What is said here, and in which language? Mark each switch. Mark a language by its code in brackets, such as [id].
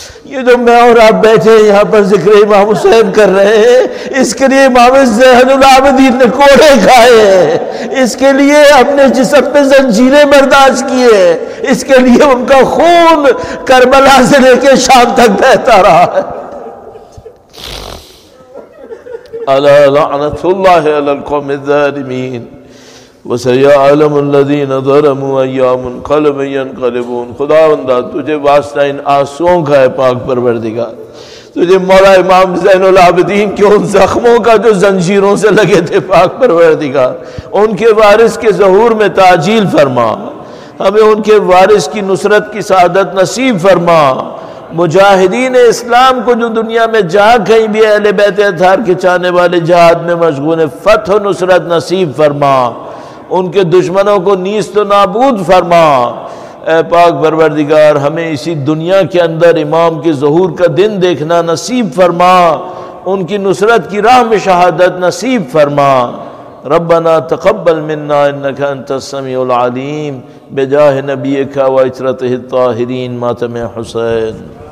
[ur] یہ جو میں اور آپ بیٹھے ہیں یہاں پر ذکر امام حسین کر رہے ہیں, اس کے لیے امام زین العابدین نے کوڑے کھائے ہیں, اس کے لیے اپنے جسم پہ زنجیریں برداشت کی ہیں, اس کے لیے ان کا خون کربلا سے لے کے شام تک بہتا رہا ہے. [ar] علی لعنت اللہ علی القوم الظالمین وسيعلم الذين ظلموا ايام قلب ينقلبون. [ur] خدا وندہ تجھے واسطہ ان آنسوؤں کا ہے پاک پروردگار, تجھے مولا امام زین العابدین کے ان زخموں کا جو زنجیروں سے لگے تھے پاک پروردگار, ان کے وارث کے ظہور میں تعجیل فرما, ہمیں ان کے وارث کی نصرت کی سعادت نصیب فرما. مجاہدین اسلام کو جو دنیا میں جا کہیں بھی اہل بیت اطہار کے چاہنے والے جہاد میں مشغول ہیں, فتح و نصرت نصیب فرما. ان کے دشمنوں کو نیست و نابود فرما. اے پاک پروردگار ہمیں اسی دنیا کے اندر امام کے ظہور کا دن دیکھنا نصیب فرما, ان کی نصرت کی راہ میں شہادت نصیب فرما. [ar] ربنا تقبل منا انك انت السميع العليم بجاہ نبیک و اطرته الطاہرین [ur] ماتم حسین.